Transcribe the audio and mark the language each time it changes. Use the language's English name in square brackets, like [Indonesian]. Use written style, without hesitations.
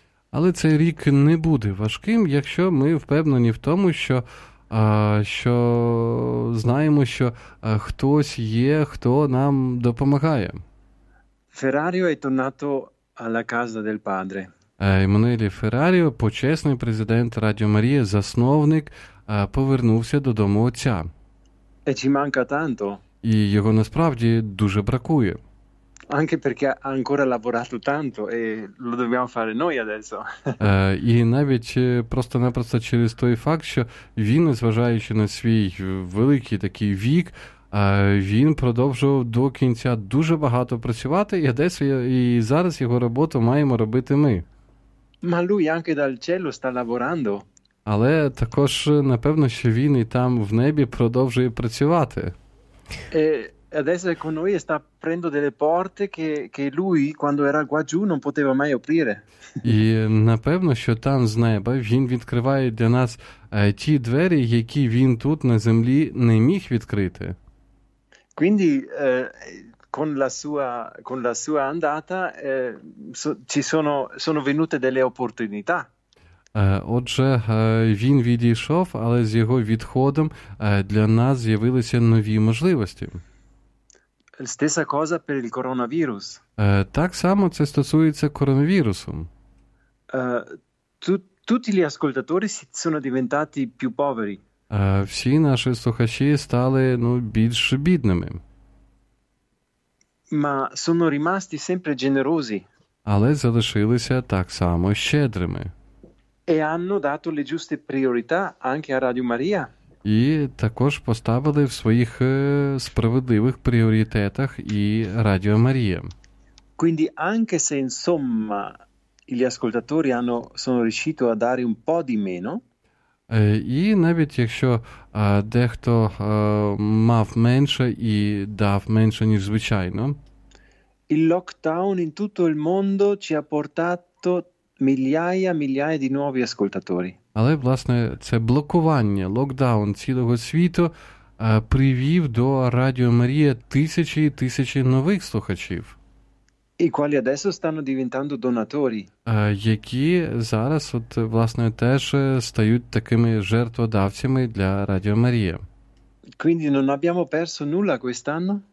[Ukrainian] Але цей рік не буде важким, якщо ми впевнені в тому, що, що знаємо, що хтось є, хто нам допомагає. [Italian] Ferrario è tornato alla casa del padre. [Ukrainian] Еммануелі Ферраріо, почесний президент Радіо Марія, засновник, повернувся додому отця. [Italian] E ci manca tanto. [Ukrainian] І його насправді дуже бракує. [Italian] Anche perché ha ancora lavorato tanto e lo dobbiamo fare noi adesso. [Ukrainian] І навіть просто-напросто через той факт, що він, незважаючи на свій великий такий вік, він продовжував до кінця дуже багато працювати, і адесо, і зараз його роботу маємо робити ми. [Italian] Ma lui anche dal cielo sta lavorando. [Ukrainian] Але також, напевно, що він і там в небі продовжує працювати. [Italian] Adesso è con noi e sta aprendo delle porte che lui, quando era qua giù, non poteva mai aprire. [Ukrainian] І, напевно, що там з неба він відкриває для нас ті двері, які він тут на землі не міг відкрити. [Italian] Quindi, con la sua andata, ci sono venute delle opportunità. [Ukrainian] Отже, він відійшов, але з його відходом для нас з'явилися нові можливості. [Italian] Stessa cosa per il coronavirus. [Ukrainian] Так само це стосується коронавірусу. [Italian] Tutti gli ascoltatori sono diventati più poveri. [Ukrainian] Всі наші слухачі стали, ну, більш бідними. [Italian] Ma sono rimasti sempre generosi. [Ukrainian] Але залишилися так само щедрими. [Italian] E hanno dato le giuste priorità anche a Radio Maria. [Ukrainian] І також поставили в своїх справедливих пріоритетах і Радіо Марія. [Italian] Quindi anche se insomma gli ascoltatori sono riusciti a dare un po' di meno. [Ukrainian] І навіть якщо дехто мав менше і дав менше, ніж звичайно. [Italian] Il lockdown in tutto il mondo ci ha portato migliaia di nuovi ascoltatori. [Ukrainian] Але, власне, це блокування, локдаун цілого світу привів до Радіо Марія тисячі і тисячі нових слухачів. І які [Italian] adesso stanno diventando donatori. [Ukrainian] Які зараз, от, власне, теж стають такими жертводавцями для Радіо Марія. [Italian] Quindi non abbiamo perso nulla quest'anno?